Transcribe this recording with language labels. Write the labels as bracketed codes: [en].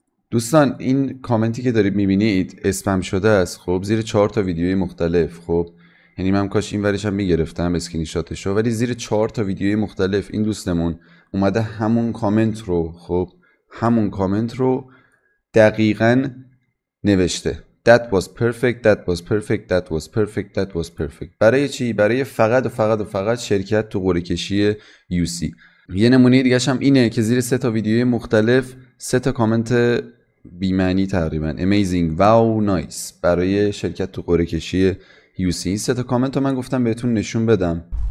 [fa] دوستان این کامنتی که دارید میبینید اسپم شده است، خب زیر 4 تا ویدیوی مختلف. خب یعنی من کاش این ورش هم میگرفتم اسکرین شاتشو، ولی زیر 4 تا ویدیوی مختلف این دوستمون اومده همون کامنت رو، خب همون کامنت رو دقیقا نوشته. [en] That was perfect, that was perfect, that was perfect, that was perfect. [fa] برای چی؟ برای فقط و فقط و فقط شرکت تو قرعه کشی یو سی. یه نمونه دیگه هم اینه که زیر سه تا ویدیوی مختلف سه تا کامنت بی معنی تقریبا، [en] amazing, wow, nice [fa] برای شرکت تو قرعه کشی یو سی. این سه تا کامنت رو من گفتم بهتون نشون بدم.